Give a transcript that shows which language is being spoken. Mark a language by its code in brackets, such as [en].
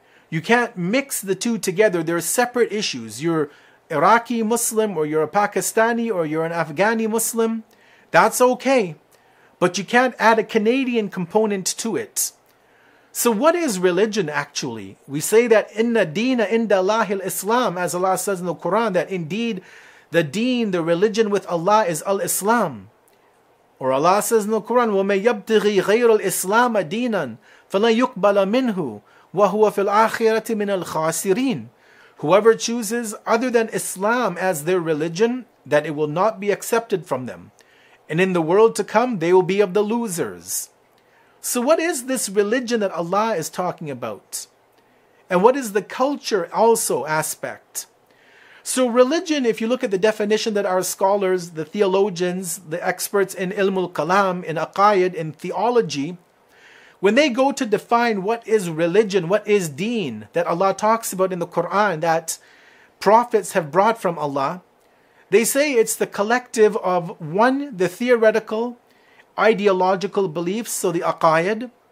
[en] You can't mix the two together. They're separate issues. You're Iraqi Muslim, or you're a Pakistani, or you're an Afghani Muslim. That's okay. But you can't add a Canadian component to it. So what is religion, actually? We say that [ar] inna deena inda Allahil Islam, [en] as Allah says in the Quran, that indeed the deen, the religion with Allah, is al-Islam. Or Allah says in the Quran, [ar] وَمَن يَبْتِغِي غَيْرُ الْإِسْلَامَ دِينًا فَلَن يُقْبَلَ مِنْهُ وَهُوَ فِي الْآخِرَةِ مِنَ الْخَاسِرِينَ. [en] Whoever chooses other than Islam as their religion, that it will not be accepted from them. And in the world to come, they will be of the losers. So what is this religion that Allah is talking about? And what is the culture also aspect? So religion, if you look at the definition that our scholars, the theologians, the experts in ilmul kalam, in aqayid, in theology, when they go to define what is religion, what is deen, that Allah talks about in the Quran, that prophets have brought from Allah, they say it's the collective of one, the theoretical, ideological beliefs, so the aqayid.